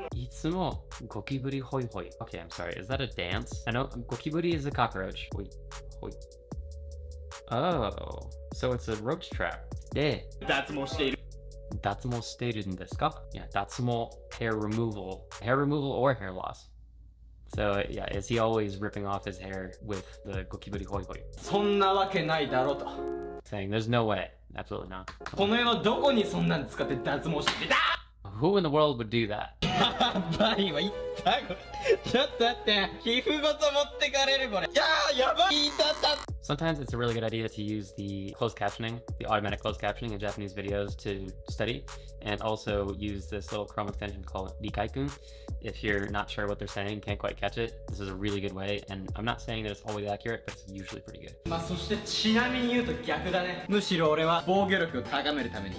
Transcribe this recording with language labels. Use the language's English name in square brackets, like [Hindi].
[Japanese] いつもゴキブリホイホイ. [English] Okay, I'm sorry. Is that a dance? I know ゴキブリ is a cockroach. [Japanese] ホイ, ホイ. [English] Oh, so it's a roach trap. で [Japanese] 脱毛している脱毛しているんですか? [English] Yeah, 脱毛, hair removal. Hair removal or hair loss. So yeah, is he always ripping off his hair with the ゴキブリホイホイ? [Japanese] そんなわけないだろと。 [English] Saying there's no way, absolutely not. [Japanese] この世のどこにそんなの使って脱毛してた? [English] Who in the world would do that? [Japanese] やばいわ、言ったこれ。ちょっと待って、皮膚ごと持ってかれるこれ。いやー、やばい、痛った。 [English] Sometimes it's a really good idea to use the closed captioning, the automatic closed captioning in Japanese videos to study, and also use this little Chrome extension called Rikaikun. If you're not sure what they're saying, can't quite catch it, this is a really good way, and I'm not saying that it's always accurate, but it's usually pretty good. [Japanese] まあ、そしてちなみに言うと逆だね。むしろ俺は防御力を高めるために。